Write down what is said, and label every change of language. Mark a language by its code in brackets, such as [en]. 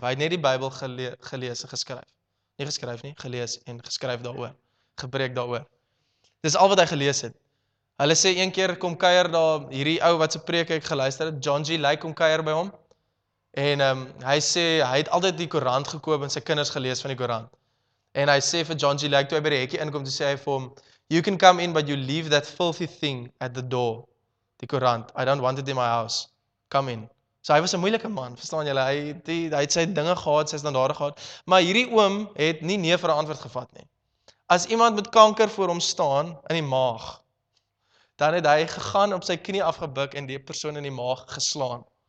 [af] Hy het net die Bybel gelees en geskryf. Nie geskryf nie, gelees en geskryf daaroor. Gepreek daaroor. Dis al wat hy gelees het. Hulle sê een keer kom kuier daar hierdie ou wat se preke ek geluister het, John G. Lake kom kuier by hom. En hy sê hy het altyd die koerant gekoop en sy kinders gelees van die koerant. En hy sê vir John G. [en] Lake [af] toe hy by die hekkie inkom, toe sê hy vir hom, [en] "You can come in, but you leave that filthy thing at the door." [af] Die koerant. [en] "I don't want it in my house. Come in." [af] So hy was 'n moeilike man, verstaan julle? Hy het sy dinge gehad, sy standaarde gehad. Maar hierdie oom het nie nee vir 'n antwoord gevat nie. As iemand met kanker voor hom staan, in die maag, dan het hy gegaan op sy knie afgebuk en die persoon in die maag geslaan.